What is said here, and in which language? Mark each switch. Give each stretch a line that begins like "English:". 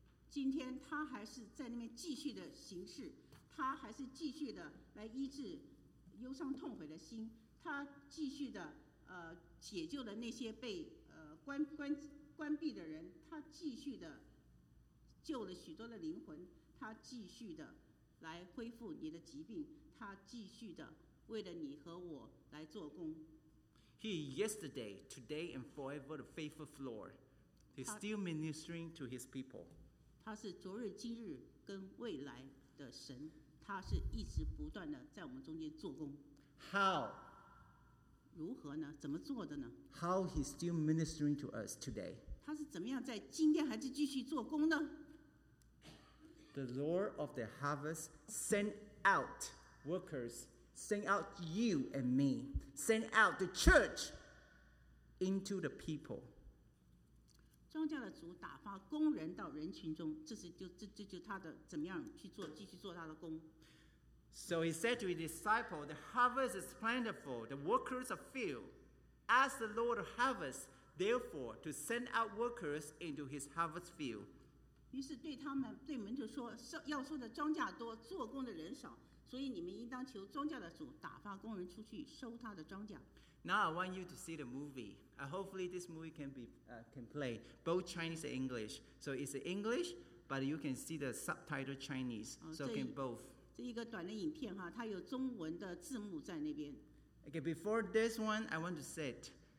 Chinese: 今天他还是在那边继续的行事，他还是继续的来医治忧伤痛悔的心，他继续的解救了那些被关闭的人，他继续的救了许多的灵魂，他继续的来恢复你的疾病，他继续的为了你和我来做工。
English: He yesterday, today, and forever the faithful floor. He's still ministering to his people.
Chinese: 他是昨日、今日跟未来的神，他是一直不断的在我们中间做工。
English: How?
Chinese: 如何呢？怎么做的呢？
English: How he's still ministering to us today?
Chinese: 他是怎么样在今天还是继续做工呢？
English: The Lord of the harvest sent out workers, sent out you and me, sent out the church into the people.
Chinese: 庄稼的主打发工人到人群中，这就他的怎么样去做，继续做他的工。
English: So he said to his disciples, the harvest is plentiful, the workers are few. Ask the Lord of harvest, therefore, to send out workers into his harvest field.
Chinese: 于是对他们对门徒说，要收的庄稼多，做工的人少，所以你们应当求庄稼的主打发工人出去收他的庄稼。
English: Now I want you to see the movie. Hopefully this movie can play both Chinese and English. So it's English, but you can see the subtitle Chinese. So can both.
Chinese: 这一个短的影片哈，它有中文的字幕在那边。
English: Okay, before this one, I want to say it.